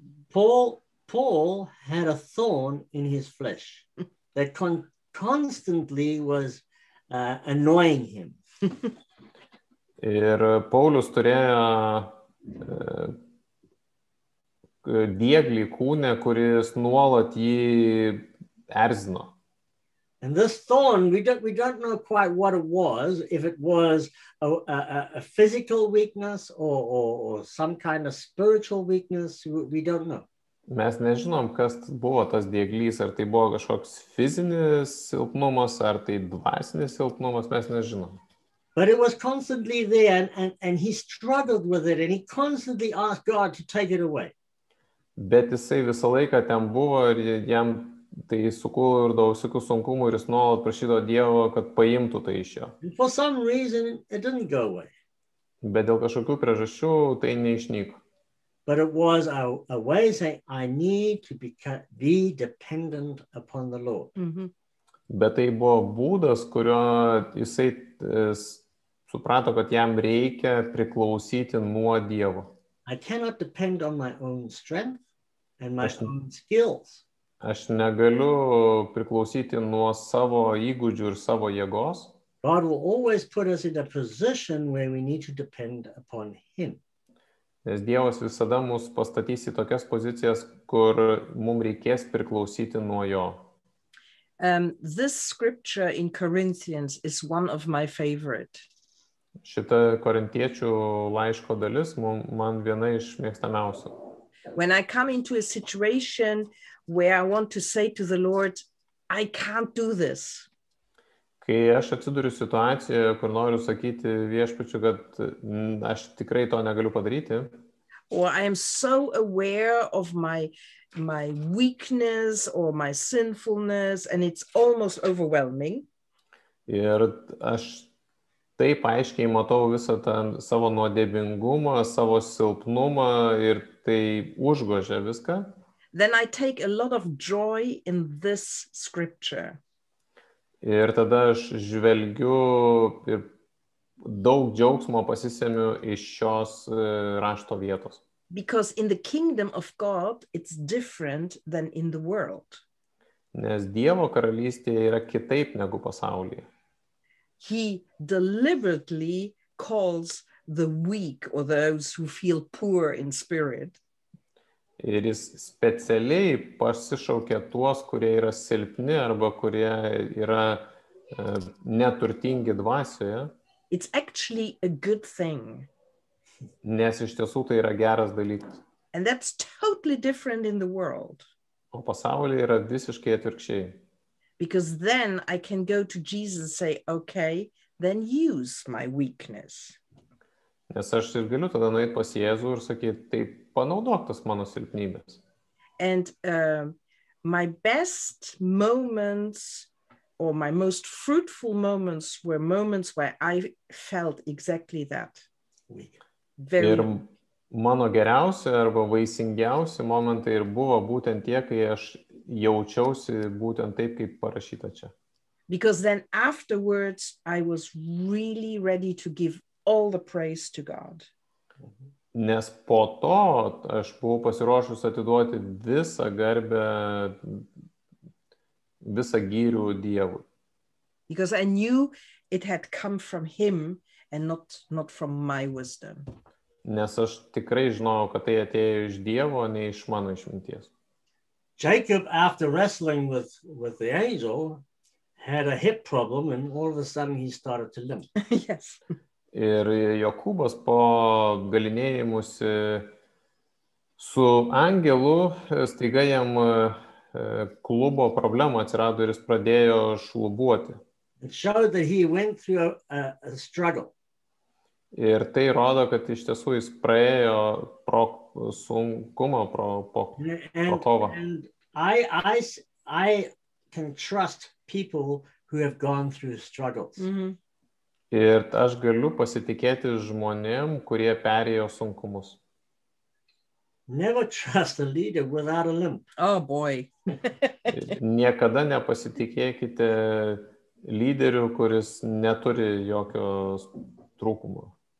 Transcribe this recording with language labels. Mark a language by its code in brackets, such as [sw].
[en] Paul had a thorn in his flesh that constantly was annoying him. [lt] Ir Paulius turėjo dieglį kūne, kuris nuolat jį erzino. [en] And this thorn, we don't know quite what it was, if it was a physical weakness or some kind of spiritual weakness, we don't know. [lt] Mes nežinom, kas buvo tas dieglys, ar tai buvo kažkoks fizinis silpnumas, ar tai dvasinis silpnumas, mes nežinom. [en] But it was constantly there and he struggled with it and he constantly asked God to take it away. [lt] Bet jisai visą laiką ten buvo ir jam tai sukūrė ir daug visokių sunkumų ir jis nuolat prašydavo Dievo, kad paimtų tai iš jo. [en] For some reason it didn't go away. [lt] Bet dėl kažkokių priežasčių tai neišnyko. [en] But it was a way to say, I need to be dependent upon the Lord. Mm-hmm. [lt] Bet tai buvo būdas, kurio jisai suprato, kad jam reikia priklausyti nuo Dievo. [en] I cannot depend on my own strength and my own skills. [lt] Aš negaliu priklausyti nuo savo įgūdžių ir savo jėgos. [en] God will always put us in a position where we need to depend upon him. [lt] Nes Dievas visada mus pastatys į tokias pozicijas, kur mums reikės priklausyti nuo jo. [en] This scripture in Corinthians is one of my favorite. [lt] Šita korintiečių laiško dalis man viena iš mėgstamiausių. [en] When I come into a situation where I want to say to the Lord, I can't do this. [lt] Kai aš atsiduriu situacijoje, kur noriu sakyti viešpačiu, kad aš tikrai to negaliu padaryti. [en] Or I am so aware of my weakness or my sinfulness and it's almost overwhelming. [lt] Ir aš taip aiškiai matau visą tą savo nuodėbingumą, savo silpnumą ir tai užgožia viską. [en] Then I take a lot of joy in this scripture. [lt] Ir tada aš žvelgiu ir daug džiaugsmo pasisemiu iš šios rašto vietos. [en] Because in the kingdom of God, it's different than in the world. [lt] Nes Dievo karalystėje yra kitaip negu pasaulyje. [en] He deliberately calls the weak or those who feel poor in spirit. [lt] Ir jis specialiai pasišaukia tuos, kurie yra silpni arba kurie yra neturtingi dvasioje. [en] It's actually a good thing. [lt] Nes iš tiesų tai yra geras dalykas. [en] And that's totally different in the world. [lt] O pasaulyje yra visiškai atvirkščiai. [en] Because then I can go to Jesus and say, okay, then use my weakness. [lt] Nes aš ir galiu tada nueit pas Jėzų ir sakyt, tai panaudok tas mano silpnybės. [en] And my best moments or my most fruitful moments were moments where I felt exactly that. Very. [lt] Ir mano geriausi arba vaisingiausi momentai ir buvo būtent tie, kai aš jaučiausi būtent taip, kaip parašyta čia. [en] Because then afterwards I was really ready to give all the praise to God. [lt] Nes po to aš buvau pasiruošus atiduoti visą garbę, visą gyrių Dievui. [en] Because I knew it had come from him and not from my wisdom. [lt] Nes aš tikrai žinojau, kad tai atėjo iš Dievo, ne iš mano išminties. [en] Jacob, after wrestling with the angel, had a hip problem and all of a sudden he started to limp. Yes. [lt] Ir Jokūbas po galinėjimusi su angelu staiga jam klubo problemų atsirado ir jis pradėjo šlubuoti. [en] It showed that he went through a struggle. [lt] Ir tai rodo, kad iš tiesų jis praėjo pro sunkumą, pro kovą. [en] And I can trust people who have gone through struggles. Mm-hmm. [lt] Ir aš galiu pasitikėti žmonėm, kurie perėjo sunkumus. [en] Never trust a leader without a limp. Oh boy. [lt] Niekada nepasitikėkite lyderiu, kuris neturi jokio trūkumo.